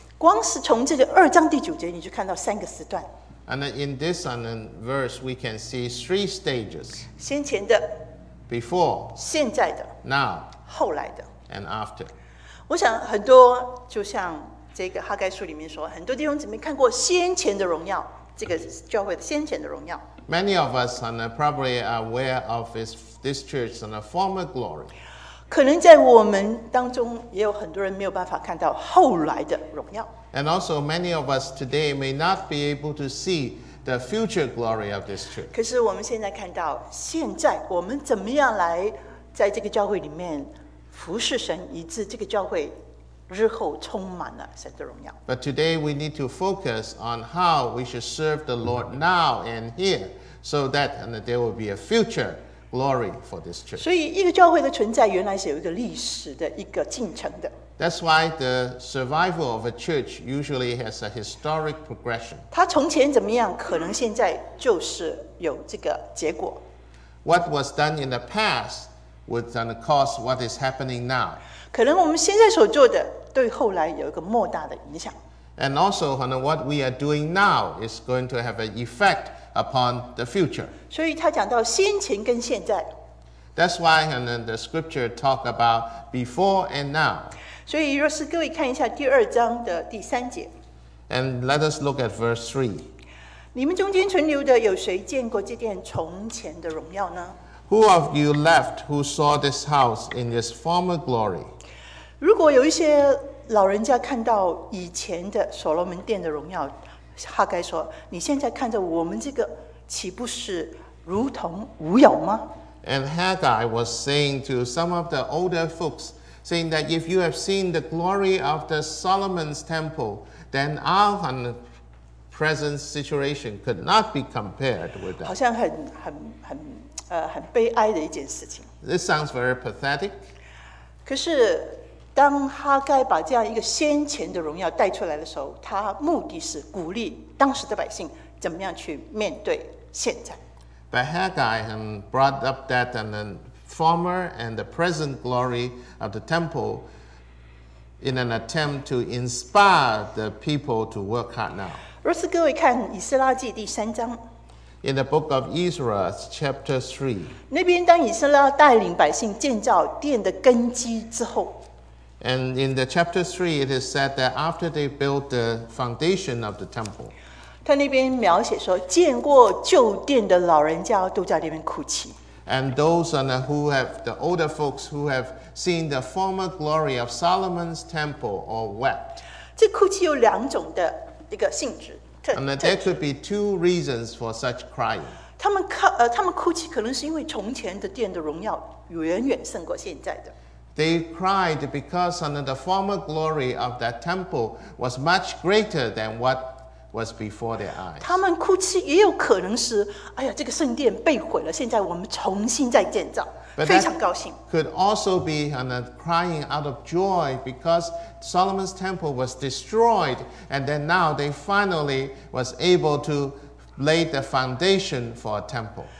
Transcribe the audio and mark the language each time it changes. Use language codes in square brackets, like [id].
[zh] 光是从这个二章第九节，你就看到三个时段。 [en] And in this verse, we can see three stages. [zh] 先前的 [en] Before. [zh] 现在的 [en] Now. [zh] 后来的 [en] And after. [zh] 我想很多就像这个哈该书里面说，很多弟兄姊妹看过先前的荣耀，这个教会的先前的荣耀。 [en] Many of us probably are aware of this church's former glory. [zh] 可能在我们当中也有很多人没有办法看到后来的荣耀。 [en] And also, many of us today may not be able to see the future glory of this church. [zh] 可是我们现在看到，现在我们怎么样来在这个教会里面服侍神，以致这个教会日后充满了神的荣耀。 [en] But today we need to focus on how we should serve the Lord now and here, so that there will be a future glory for this church. [zh] 所以一个教会的存在原来是有一个历史的一个进程的。 [en] That's why the survival of a church usually has a historic progression. [zh] 它从前怎么样，可能现在就是有这个结果。 [en] What was done in the past would then cause what is happening now. [zh] 可能我们现在所做的对后来有一个莫大的影响。 [en] And also, what we are doing now is going to have an effect upon the future. [zh] 所以他讲到先前跟现在。 [en] That's why the scripture talk about before and now. [zh] 所以若是各位看一下第二章的第三节。 [en] And let us look at verse 3. [zh] 你们中间存留的有谁见过这殿从前的荣耀呢？ [en] Who of you left who saw this house in its former glory? [zh] 如果有一些老人家看到以前的所罗门殿的荣耀，哈该说，你现在看着我们这个，岂不是如同无有吗？ [en] And Haggai was saying to some of the older folks,saying that if you have seen the glory of the Solomon's temple, then our present situation could not be compared with that. [zh] 好像很悲哀的一件事情。 [en] This sounds very pathetic. [zh] 可是当哈该把这样一个先前的荣耀带出来的时候，他目的是鼓励当时的百姓怎么样去面对现在。 [en] But Haggai brought up that and then,former and the present glory of the temple in an attempt to inspire the people to work hard now. [zh] 若是各位看以斯拉记第三章 [en] in the book of Ezra, chapter 3, [zh] 那边当以斯拉带领百姓建造殿的根基之后 [en] and in the chapter 3, it is said that after they built the foundation of the temple, [zh] 他那边描写说，见过旧店的老人家都在那边哭泣。 [en] And those on who have the older folks who have seen the former glory of Solomon's temple all wept. [zh] 这哭泣有两种的一个性质。 [en] And there could be two reasons for such crying. [zh] 他们哭泣可能是因为从前的殿的荣耀远远胜过现在的。 [en] They cried because under the former glory of that temple was much greater than what was before their eyes. [zh] 他们哭泣也有可能是，哎呀，这个圣殿被毁了，现在我们重新再建造。 [en] But that could also be crying out of joy because Solomon's temple was destroyed and then now they finally was able to lay the foundation for a temple.